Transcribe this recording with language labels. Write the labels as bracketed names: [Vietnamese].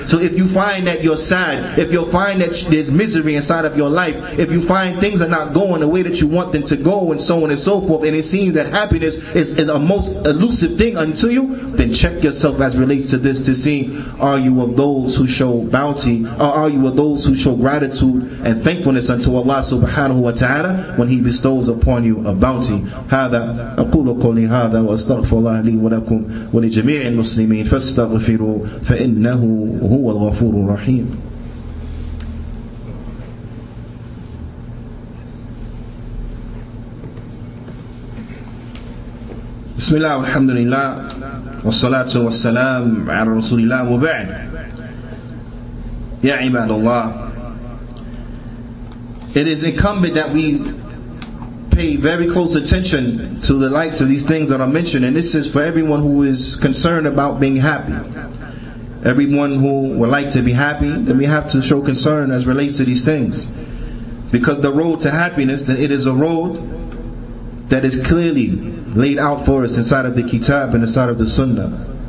[English] So if you find that you're sad, if you find that there's misery inside of your life, if you find things are not going the way that you want them to go and so on and so forth, and it seems that happiness is a most elusive thing unto you, then check yourself as relates to this to see, are you of those who show bounty, or are you of those who show gratitude and thankfulness unto Allah subhanahu wa ta'ala when He bestows upon you a bounty? [Arabic] هذا أقول قولي هذا وأستغفر الله لي ولكم ولجميع المسلمين فاستغفروا فإنه هو الغفور الرحيم. بسم الله والحمد لله والصلاة والسلام على رسول الله وبعد. يا عباد الله, [English] it is incumbent that we pay very close attention to the likes of these things that are mentioned, and this is for everyone who is concerned about being happy. Everyone who would like to be happy, then we have to show concern as relates to these things, because the road to happiness, then it is a road that is clearly laid out for us inside of the Kitab and inside of the Sunnah.